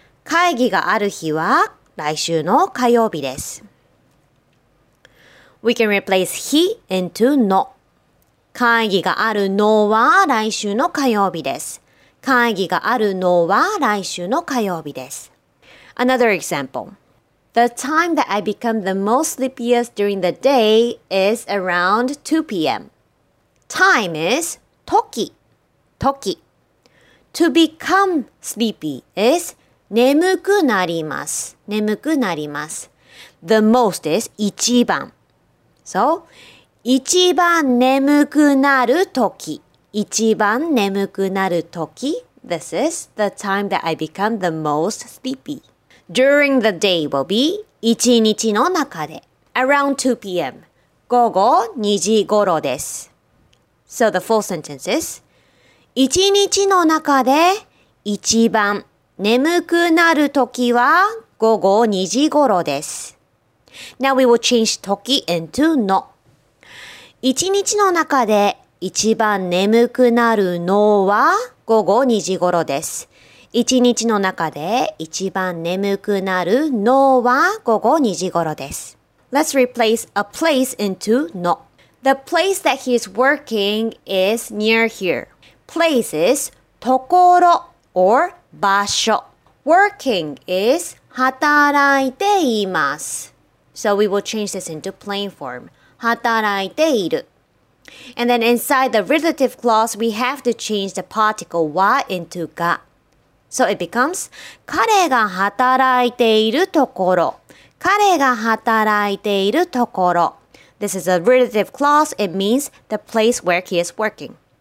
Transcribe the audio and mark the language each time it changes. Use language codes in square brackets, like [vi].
[ja] 会議がある日は来週の火曜日です。 [en] We can replace 日 into の。 [ja] 会議があるのは来週の火曜日です。会議があるのは来週の火曜日です。 [en] Another example. The time that I become the most sleepiest during the day is around 2 p.m. Time is 時。時。To become sleepy is 眠くなります。眠くなります。The most is 一番。 [ja] So, 一番眠くなるとき。一番眠くなるとき。 [en] This is the time that I become the most sleepy. During the day will be 一日の中で。 [ja] Around 2 p.m. 午後2時ごろです。 So, the full sentence is 一日の中で一番眠くなるときは午後2時ごろです。 [en] Now we will change 時 into の。 [ja] 一日の中で一番眠くなるのは午後2時ごろです。一日の中で一番眠くなるのは午後2時ごろです。 [en] Let's replace a place into の。 The place that he is working is near here. Place is ところ or 場所。 Working is 働いています。 So we will change this into plain form. 働いている。And then inside the relative clause, we have to change the particle は into が。 [ja] So it becomes 彼が働いているところ。彼が働いているところ。 [en] This is a relative clause. It means the place where he is working.